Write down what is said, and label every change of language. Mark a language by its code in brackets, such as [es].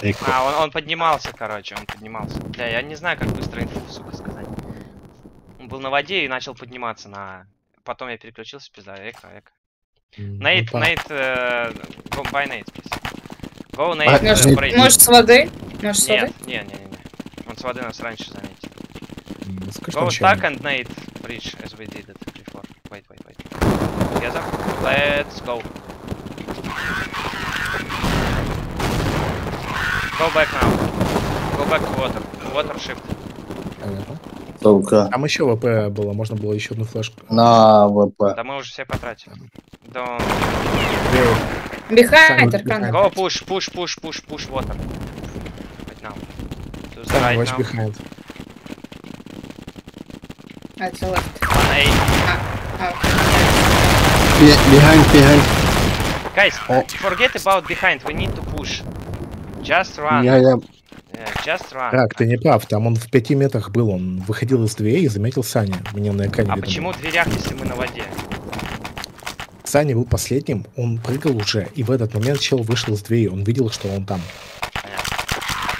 [ru] А, он поднимался, короче, он поднимался. Бля, я не знаю, как быстро инфу, сука, сказать. Он был на воде и начал подниматься на... Потом я переключился, пизда, эко, эко. [en] Нейт, Нейт, go by Nate, please. Go, Nate, [ru] Может, может с воды? Может, с нет, воды? Нет, нет, нет, нет. Он с воды нас раньше заметил. [en] Go stuck and Nate, bridge, as we did it before. Wait, wait, wait. Together? Let's go. Go back now. Go back to water. Water shift. [ru] Там еще ВП было, можно было еще одну флешку. На ВП. Да мы уже все потратили. [en] Behind, Аркана. Go push, push, push, push, push, water. Right now. To the right now. Watch behind. At the left. On A. Behind, behind. Guys, forget about behind, we need to push. Just run. Just run. [ru] Так, ты не прав, там он в 5 метрах был, он выходил из дверей и заметил Саня, мне на экране. А видно. Почему в дверях, если мы на воде? Саня был последним, он прыгал уже, и в этот момент чел вышел из двери, он видел, что он там. Понятно.